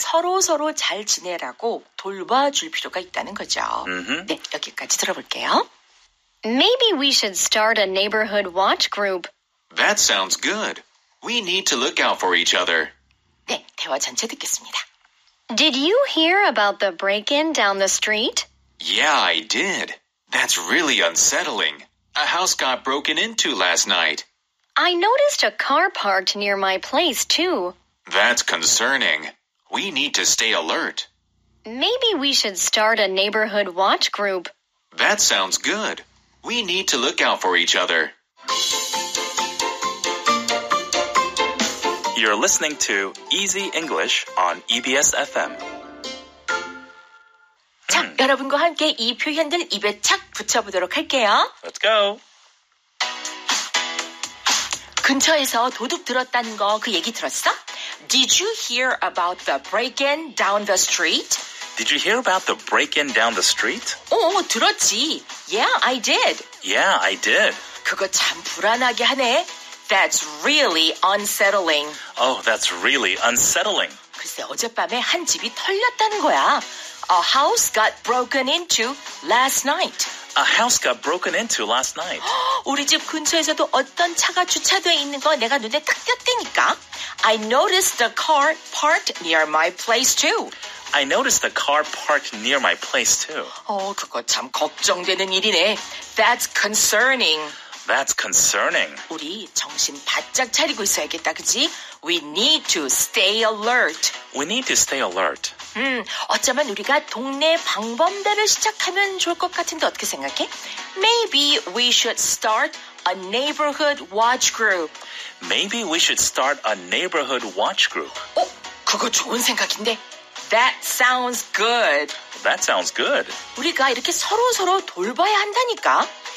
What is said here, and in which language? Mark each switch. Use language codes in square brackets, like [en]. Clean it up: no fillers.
[ko] 서로서로 잘 지내라고 돌봐줄 필요가 있다는 거죠. Mm-hmm. 네, 여기까지 들어볼게요. [en] Maybe we should start a neighborhood watch group. That sounds good. We need to look out for each other. [ko] 네, 대화 전체 듣겠습니다. [en] Did you hear about the break-in down the street? Yeah, I did. That's really unsettling. A house got broken into last night. I noticed a car parked near my place, too. That's concerning. We need to stay alert. Maybe we should start a neighborhood watch group. That sounds good. We need to look out for each other. You're listening to Easy English on EBS FM. [ko] 자, 여러분과 함께 이 표현들 입에 착 붙여보도록 할게요. [en] Let's go. [ko] 근처에서 도둑 들었다는 거 그 얘기 들었어? [en] Did you hear about the break-in down the street? Did you hear about the break-in down the street? [ko] 들었지. [en] Yeah, I did. Yeah, I did. [ko] 그거 참 불안하게 하네. [en] That's really unsettling. Oh, that's really unsettling. [ko] 글쎄, 어젯밤에 한 집이 털렸다는 거야. [en] A house got broken into last night. A house got broken into last night. [ko] 우리 집 근처에서도 어떤 차가 주차돼 있는 거 내가 눈에 딱 띄었다니까. [en] I noticed the car parked near my place too. I noticed the car parked near my place too. [ko] 그거 참 걱정되는 일이네. [en] That's concerning. That's concerning. [ko] 우리 정신 바짝 차리고 있어야겠다, 그지? [en] We need to stay alert. We need to stay alert. [ko] 어쩌면 우리가 동네 방범대를 시작하면 좋을 것 같은데 어떻게 생각해? [en] Maybe we should start a neighborhood watch group. Maybe we should start a neighborhood watch group. [ko] 그거 좋은 생각인데. [en] That sounds good. That sounds good. [ko] 우리가 이렇게 서로서로 돌봐야 한다니까.